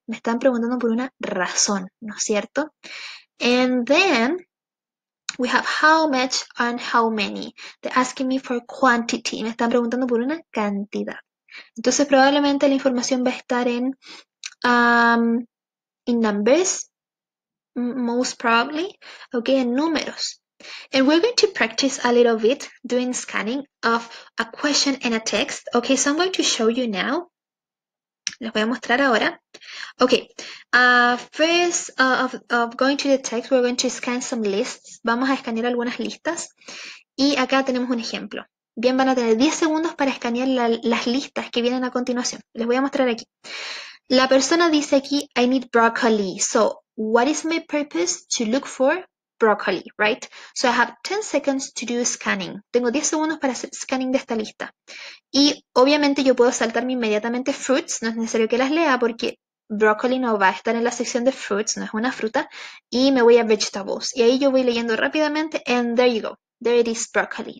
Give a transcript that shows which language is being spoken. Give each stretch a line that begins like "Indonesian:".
Spanish: Me están preguntando por una razón, ¿no es cierto?
English: And then we have how much and how many. They're asking me for quantity.
Spanish: Me están preguntando por una cantidad. Entonces, probablemente la información va a estar en
English: in numbers, most probably, okay,
Spanish: en números.
English: And we're going to practice a little bit doing scanning of a question and a text. Okay, so I'm going to show you now.
Spanish: Les voy a mostrar ahora.
English: Okay, first of going to the text, we're going to scan some lists.
Spanish: Vamos a escanear algunas listas. Y acá tenemos un ejemplo. Bien, van a tener 10 segundos para escanear las listas que vienen a continuación. Les voy a mostrar aquí. La persona dice aquí,
English: I need broccoli. So, what is my purpose to look for broccoli, right? So, I have 10 seconds to do scanning.
Spanish: Tengo 10 segundos para hacer scanning de esta lista. Y obviamente yo puedo saltarme inmediatamente fruits. No es necesario que las lea porque broccoli no va a estar en la sección de fruits, no es una fruta. Y me voy a vegetables. Y ahí yo voy leyendo rápidamente.
English: And there you go. There it is, broccoli.